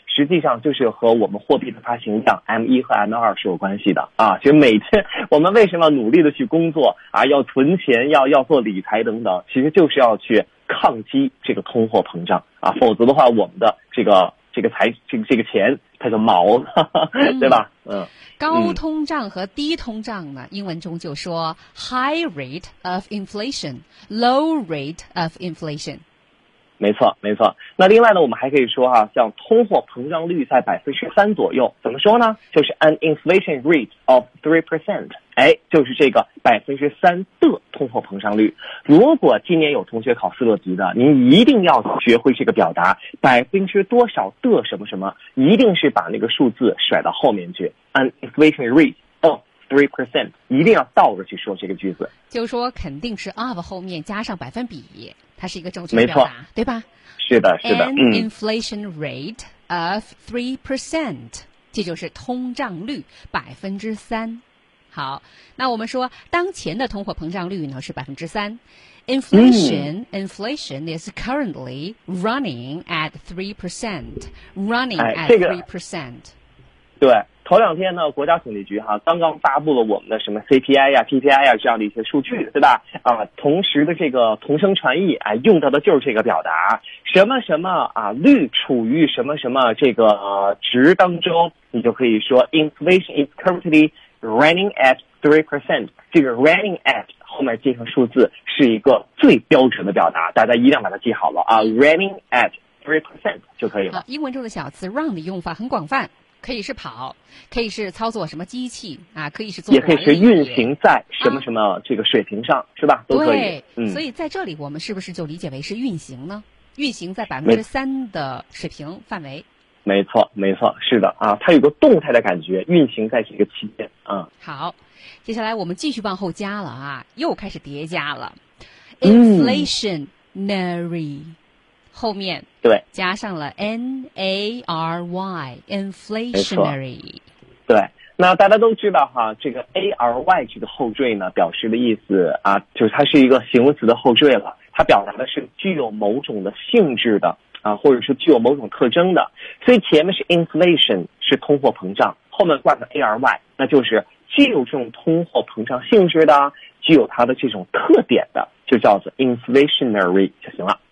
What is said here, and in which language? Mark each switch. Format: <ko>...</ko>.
<zh>实际上就是和我们货币的发行量 M1 和 M2 是有关系的啊。其实每天我们为什么努力的去工作啊，要存钱，要做理财等等，其实就是要去抗击这个通货膨胀啊，否则的话我们的这个钱它就毛了，对吧？高通胀和低通胀呢，英文中就说 high rate of inflation, low rate of inflation。没错，没错。那另外呢，我们还可以说哈、啊，像通货膨胀率在3%左右，怎么说呢？</zh> <en>就是 an inflation rate of 3%。</en> <zh>哎，就是这个3%的通货膨胀率。如果今年有同学考斯洛级的，您一定要学会这个表达，多少%的什么什么，一定是把那个数字甩到后面去 ， an inflation rate of 3%，一定要倒着去说这个句子。就说肯定是 of 后面加上百分比，它是一个正确的表达，没错，对吧？是的，是的。 an inflation rate of 3%，这就是通胀率3%。好，那我们说当前的通货膨胀率呢是3%。</zh> <en>Inflation is currently running at 3%. Running at 3%.</en> <zh>对，头两天呢，国家统计局哈刚刚发布了我们的什么 CPI 呀、PPI 呀这样的一些数据，对吧？啊，同时的这个同声传译啊，用到的就是这个表达，什么什么啊率处于什么什么这个、值当中，你就可以说 inflation is currently running at 3%，这个 running at 后面进行数字是一个最标准的表达，大家一定要把它记好了啊， running at 3% 就可以了。好，英文中的小词 run 的用法很广泛，可以是跑，可以是操作什么机器啊，可以是做也可以是运行在什么什么这个水平上、啊、是吧，都可以。对、所以在这里我们是不是就理解为是运行呢，运行在3%的水平范围。没错没错，是的啊，它有个动态的感觉，运行在这个期间啊。好，接下来我们继续往后加了啊，又开始叠加了 inflationary、后面对加上了 nary inflationary。对，那大家都知道哈，这个 ary 这个后缀呢表示的意思啊，就是它是一个形容词的后缀了，它表达的是具有某种的性质的啊，或者是具有某种特征的，所以前面是 inflation 是通货膨胀，后面挂个 ary 那就是具有这种通货膨胀性质的，具有它的这种特点的，就叫做 inflationary 就行了。</zh>